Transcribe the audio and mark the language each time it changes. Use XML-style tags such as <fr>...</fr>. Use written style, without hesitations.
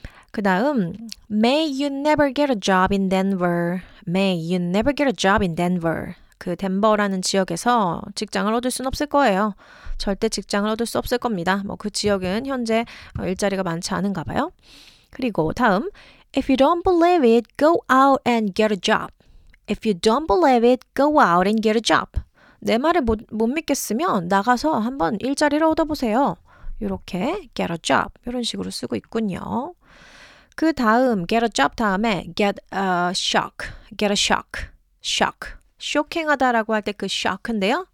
<ko>그다음</ko> <en>May you never get a job in Denver. May you never get a job in Denver.</en> <ko>그 덴버라는 지역에서 직장을 얻을 순 없을 거예요. 절대 직장을 얻을 수 없을 겁니다. 뭐 그 지역은 현재 일자리가 많지 않은가 봐요. 그리고 다음</ko> <en>If you don't believe it, go out and get a job. If you don't believe it, go out and get a job.</en> <ko>내 말을 못 믿겠으면 나가서 한번 일자리를 얻어보세요. 이렇게 get a job 이런 식으로 쓰고 있군요. 그 다음 get a job 다음에</ko> <en>get a shock. Get a shock. Shock.</en> <ko>쇼킹하다라고 할 때 그 shock인데요.</ko>